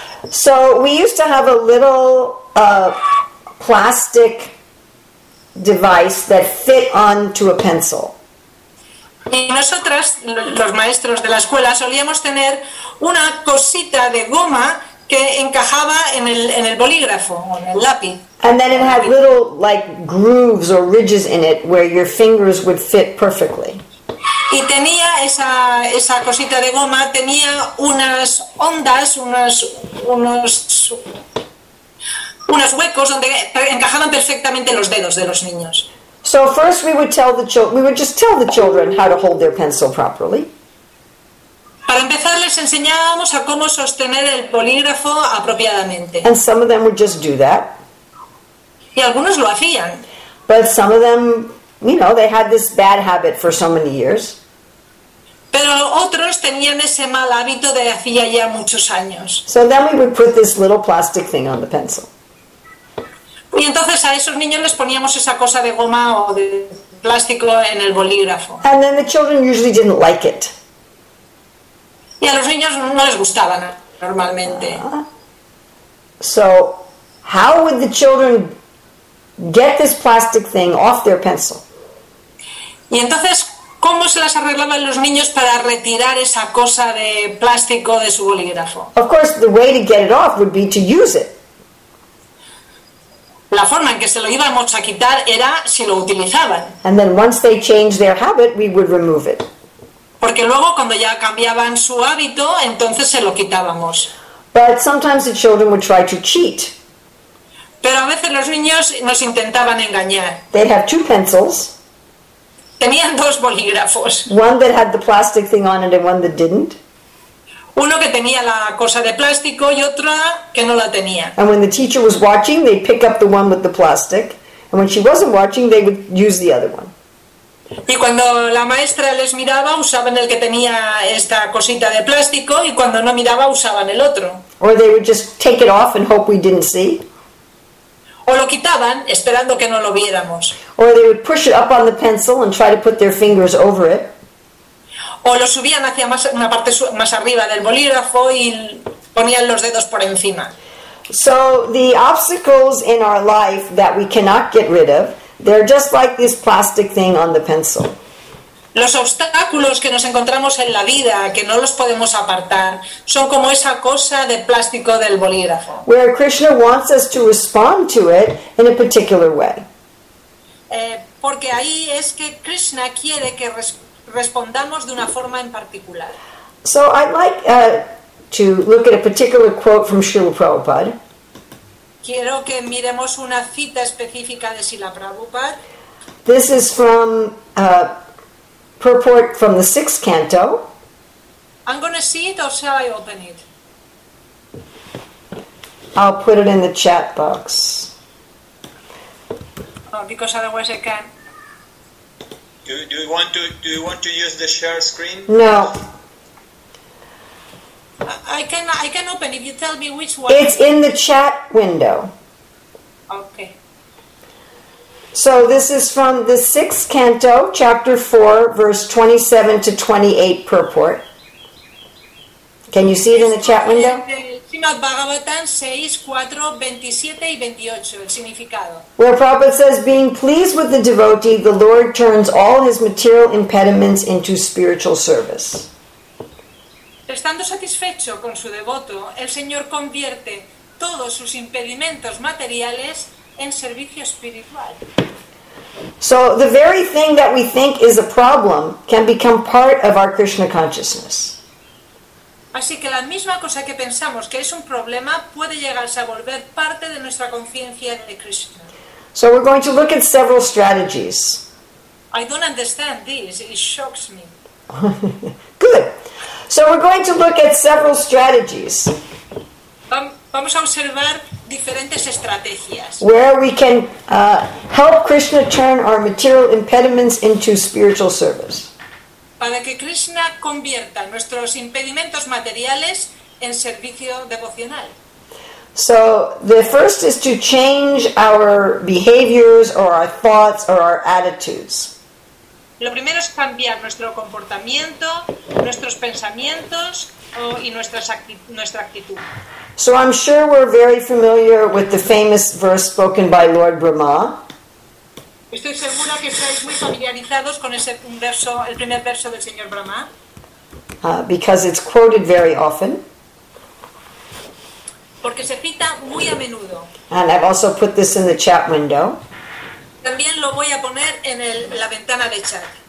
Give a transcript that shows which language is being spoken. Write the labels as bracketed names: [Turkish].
[English] So we used to have a little plastic device that fit onto a pencil. [Spanish] Y nosotras, los maestros de la escuela, solíamos tener una cosita de goma que encajaba en el bolígrafo, en el lápiz. [English] And then it had little like grooves or ridges in it where your fingers would fit perfectly. [Spanish] Y tenía esa cosita de goma, tenía unas ondas, unos huecos donde encajaban perfectamente los dedos de los niños. [English] So first we would just tell the children how to hold their pencil properly. [Spanish] Para empezar les enseñábamos a cómo sostener el bolígrafo apropiadamente. [English] And some of them would just do that. [Spanish] Y algunos lo hacían. [English] But some of them, you know, they had this bad habit for so many years. [Spanish] Pero otros tenían ese mal hábito de hacía ya muchos años. [English] So then we would put this little plastic thing on the pencil. [Spanish] Y entonces a esos niños les poníamos esa cosa de goma o de plástico en el bolígrafo. [English] And then the children usually didn't like it. [Spanish] Y a los niños no les gustaba normalmente. [English] So how would the children get this plastic thing off their pencil? [Spanish] Y entonces, ¿cómo se las arreglaban los niños para retirar esa cosa de plástico de su bolígrafo? [English] Of course, the way to get it off would be to use it. [Spanish] La forma en que se lo íbamos a quitar era si lo utilizaban. [English] And then once they changed their habit, we would remove it. [Spanish] Porque luego, cuando ya cambiaban su hábito, entonces se lo quitábamos. [English] But sometimes the children would try to cheat. [Spanish] Pero a veces los niños nos intentaban engañar. [English] They'd have two pencils. [Spanish] Tenían dos bolígrafos. [English] One that had the plastic thing on it and one that didn't. [Spanish] Uno que tenía la cosa de plástico y otra que no la tenía. [English] And when the teacher was watching, they'd pick up the one with the plastic. And when she wasn't watching, they would use the other one. [Spanish] Y cuando la maestra les miraba, usaban el que tenía esta cosita de plástico y cuando no miraba, usaban el otro. [English] Or they would just take it off and hope we didn't see. [Spanish] O lo quitaban, esperando que no lo viéramos. [English] Or they would push it up on the pencil and try to put their fingers over it. [Spanish] O lo subían hacia una parte más arriba del bolígrafo y ponían los dedos por encima. [English] So the obstacles in our life that we cannot get rid of, they're just like this plastic thing on the pencil. [Spanish] Los obstáculos que nos encontramos en la vida, que no los podemos apartar, son como esa cosa de plástico del bolígrafo. [English] Where Krishna wants us to respond to it in a particular way. [Spanish] Porque ahí es que Krishna quiere que respondamos de una forma en particular. [English] So I'd like to look at a particular quote from Srila Prabhupada. [Spanish] Quiero que miremos una cita específica de Srila Prabhupada. [English] This is from purport from the sixth canto. I'm going to see it, or shall I open it? I'll put it in the chat box. Oh, because otherwise I can. Do you want to use the share screen? No. I can open if you tell me which one. It's in the chat window. Okay. So this is from the sixth canto, chapter 4, verse 27 to 28 purport. Can you see it in the chat window? [Spanish] Srimad Bhagavatam 6, 4, 27 y 28, el significado. [English] Where Prabhupada says, being pleased with the devotee, the Lord turns all his material impediments into spiritual service. [Spanish] Estando satisfecho con su devoto, el Señor convierte todos sus impedimentos materiales en servicio espiritual. [English] So the very thing that we think is a problem can become part of our Krishna consciousness. [Spanish] Así que la misma cosa que pensamos que es un problema puede llegarse a volver parte de nuestra conciencia de Krishna. [English] So we're going to look at several strategies. I don't understand this. It shocks me. Good. So we're going to look at several strategies. [Spanish] Vamos a observar diferentes estrategias. [English] Where we can help Krishna turn our material impediments into spiritual service. [Spanish] Para que Krishna convierta nuestros impedimentos materiales en servicio devocional. [English] So the first is to change our behaviors or our thoughts or our attitudes. [Spanish] Lo primero es cambiar nuestro comportamiento, nuestros pensamientos y nuestra actitud. [English] So I'm sure we're very familiar with the famous verse spoken by Lord Brahma. [Spanish] Estoy segura que estáis muy familiarizados con ese verso, el primer verso del señor Brahma. [English] Because it's quoted very often. [Spanish] Porque se cita muy a menudo. [English] And I've also put this in the chat window. [Spanish] También lo voy a poner en el, la ventana de chat.